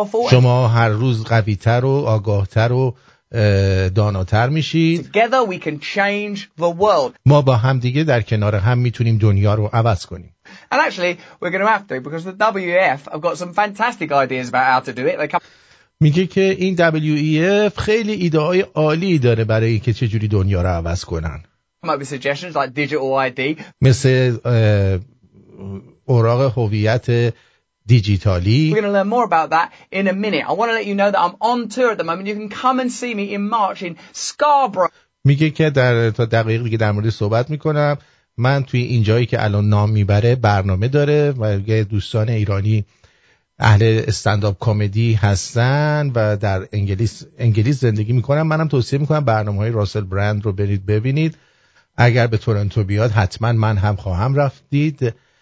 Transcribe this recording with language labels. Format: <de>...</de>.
<fa>شما هر روز قوی تر و آگاه تر و داناتر میشید.</fa> <en>Together we can change the world.</en> <fa>ما با هم دیگه در کنار هم میتونیم دنیا رو عوض کنیم.</fa> <en>And actually we're going to have to because the WEF have got some fantastic ideas about how to do it.</en> <fa>میگه که این WEF خیلی ایده های عالی داره برای اینکه چه جوری دنیا رو عوض کنن.</fa> <en>Might be suggestions like digital ID.</en> <fa>مثل اوراق هویت دیجیتالی.</fa> <en>We're going to learn more about that in a minute. I want to let you know that I'm on tour at the moment. You can come and see me in March in Scarborough.</en> <fa>میگه که در تا دقیق دیگه در مورد صحبت میکنم. من توی این جایی که الان نام میبره برنامه داره و یه دوستان ایرانی اهل استنداپ کمدی هستن و در انگلیس زندگی میکنن. منم توصیه میکنم برنامه‌های راسل برند رو برید ببینید. اگر به تورنتو بیاد حتما من هم خواهم رفت دید.</fa>